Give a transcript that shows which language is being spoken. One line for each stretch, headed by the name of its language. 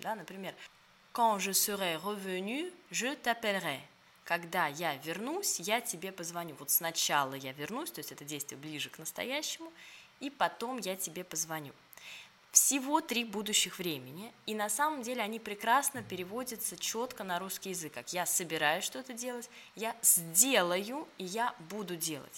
Russian: Да? Например,
French: quand je serai revenu, je t'appellerai.
Russian: Когда я вернусь, я тебе позвоню. Вот сначала я вернусь, то есть это действие ближе к настоящему, и потом я тебе позвоню. Всего три будущих времени, и на самом деле они прекрасно переводятся четко на русский язык, как «я собираюсь что-то делать», «я сделаю» и «я буду делать».